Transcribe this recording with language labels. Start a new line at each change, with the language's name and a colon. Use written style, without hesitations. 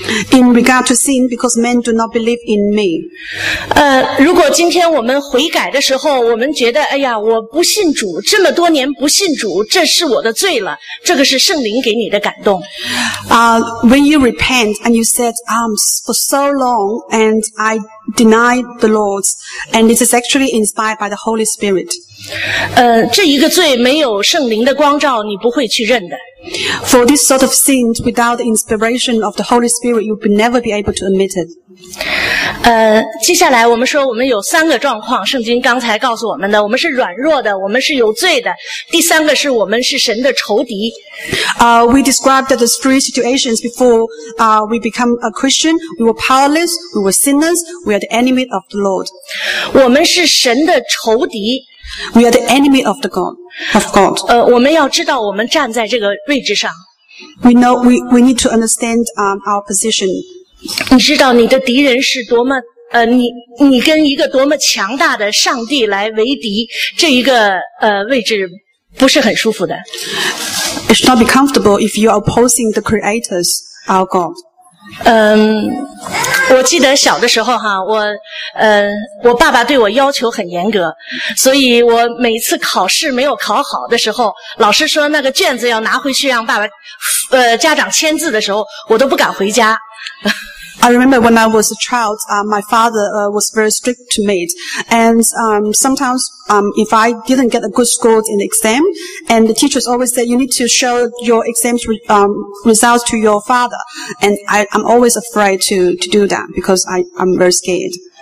English: In regard to sin, because men do not believe in me.
Chinese: 如果今天我们悔改的时候，我们觉得，哎呀，我不信主，这么多年不信主，这是我的罪了。这个是圣灵给你的感动。
English: When you repent and you said, for so long, and I denied the Lord, and this is actually inspired by the Holy Spirit.
Chinese: 这一个罪没有圣灵的光照，你不会去认的。
English: For this sort of sin, without the inspiration of the Holy Spirit, you will never be able to admit it.
Chinese: 接下来我们说我们有三个状况，圣经刚才告诉我们的，我们是软弱的，我们是有罪的，第三个是我们是神的仇敌。
English: We described the three situations before we become a Christian. We were powerless, we were sinners, we are the enemy of the Lord.
Chinese: 我们是神的仇敌。
English: We are the enemy of the God. Of God.
Chinese: 我们要知道我们站在这个位置上。
English: We know we need to understand our position.
Chinese: 你知道你的敌人是多么你跟一个多么强大的上帝来为敌，这一个位置不是很舒服的。
English: It should not be comfortable if you are opposing the creators, our God.
Chinese: 我记得小的时候哈，我爸爸对我要求很严格，所以我每次考试没有考好的时候，老师说那个卷子要拿回去让爸爸，家长签字的时候，我都不敢回家。
English: I remember when I was a child, my father was very strict to me, and sometimes if I didn't get a good score in the exam, and the teachers always said you need to show your exams results to your father, and I'm always afraid to do that because I'm very scared.